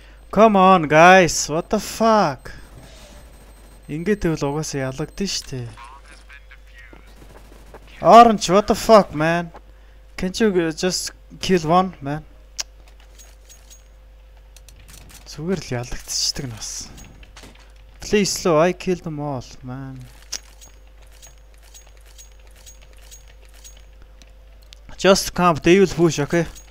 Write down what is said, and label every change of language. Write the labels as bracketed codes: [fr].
[en] Come on, guys, what the fuck? [mn] Ингээд л угаасаа ялагдчих штэ. [en] Orange, what the fuck, man? Can't you just kill one, man? [mn] Зүгээр л ялагдчихдаг нас. [en] Please slow, I killed them all, man. Just camp, they will push, okay?